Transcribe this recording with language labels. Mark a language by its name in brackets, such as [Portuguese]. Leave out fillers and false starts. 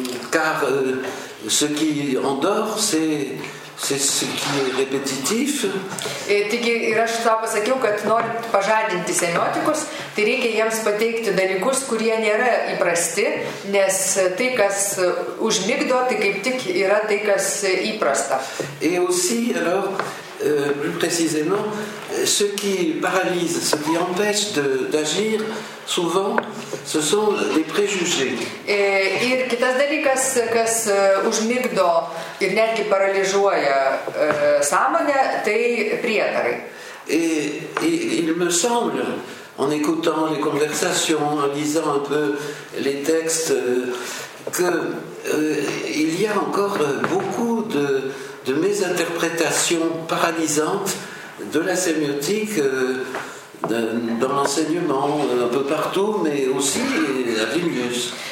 [French] Car ce qui endort, c'est ce qui est répétitif. [Lithuanian] Ir aš tau pasakiau, kad norint pažadinti semiotikus, tai reikia jiems pateikti dalykus, kurie nėra įprasti, nes tai, kas užmigdo, tai kaip tik yra tai, kas įprasta. [French] Et aussi, alors, plus précisément, ce qui paralyse, ce qui empêche d'agir, souvent, ce sont des préjugés. [Lithuanian] Ir kitas dalykas, kas užmigdo ir netgi paralyžuoja sąmonę, tai prietarai. [French] Et il me semble, en écoutant les conversations, en lisant un peu les textes, qu'il y a encore beaucoup de mes interprétations paralysantes de la sémiotique dans l'enseignement un peu partout, mais aussi à Vilnius.